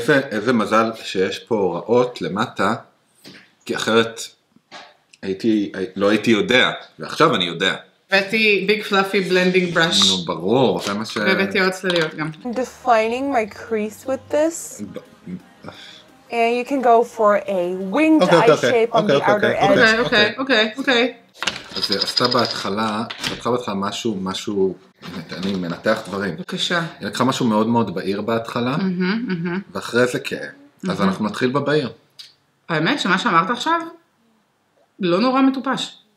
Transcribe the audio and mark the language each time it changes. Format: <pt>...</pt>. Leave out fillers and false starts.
<he>איזה מזל שיש פה הוראות למטה, כי אחרת לא הייתי יודע, ועכשיו אני יודע. הבאתי ביג פלאפי בלנדינג בראש. נו, ברור, זה מה ש... והבאתי עוד צלליות גם.</he> <en>I'm defining my crease with this. And you can go for a winged eye shape on the outer edge.</en> <he>אוקיי, אוקיי, אוקיי. אז עשתה בהתחלה, משהו, אני מנתח דברים. בבקשה. היא לקחה משהו מאוד מאוד בהיר בהתחלה, ואחרי זה כה. אז אנחנו נתחיל בבהיר. האמת שמה שאמרת עכשיו, לא נורא מטופש.</he>